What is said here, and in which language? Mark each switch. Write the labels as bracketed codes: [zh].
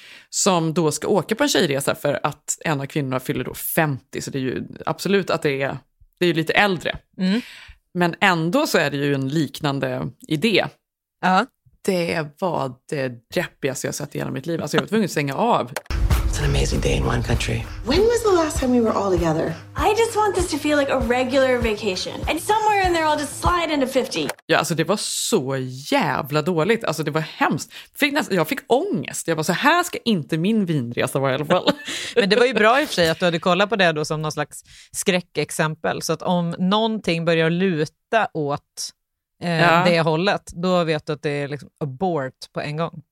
[sv] Som då ska åka på en tjejresa för att en av kvinnorna fyller då 50. Så det är ju absolut att det är ju lite äldre. Mm. Men ändå så är det ju en liknande idé. Det var det deppigaste jag sett i hela mitt liv. Alltså jag var tvungen att sänga av. [en] It's an amazing day in one country. When was the last time we were all together? I just want this to feel like a regular vacation. And somewhere in there I'll just slide into 50. [sv] Ja, alltså det var så jävla dåligt. Alltså det var hemskt. Jag fick ångest. Jag bara, så här ska inte min vinresa vara i alla fall. Men det var ju bra i och för sig att du hade kollat på det då som någon slags skräckexempel. Så att om någonting börjar luta åt det hållet, då vet du att det är liksom abort på en gång.